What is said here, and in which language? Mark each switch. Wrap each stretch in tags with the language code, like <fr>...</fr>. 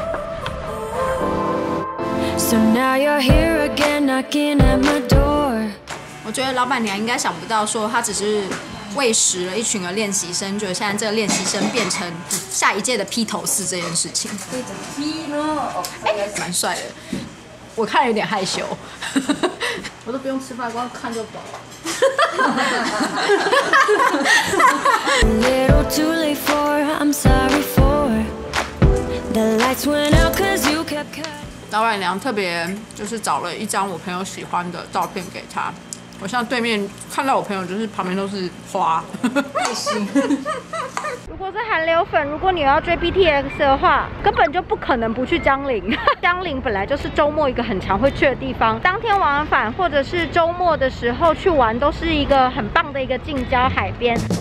<zh>紧张。</zh> <en>So now you're here again, knocking at my door。</en> <zh>我觉得老板娘应该想不到，说她只是喂食了一群的练习生，就现在这个练习生变成下一届的披头士这件事情，蛮帅的，我看有点害羞。我都不用吃饭，光看就饱。</zh> <en>Little too late for, I'm sorry for. The lights went out cause you kept cutting.</en> <zh>老板娘特别就是找了一张我朋友喜欢的照片给他。我像对面看到我朋友，就是旁边都是花。如果是韩流粉，如果你要追 BTS 的话，根本就不可能不去江陵。江陵本来就是周末一个很常会去的地方，当天往返或者是周末的时候去玩，都是一个很棒的一个近郊海边。</zh>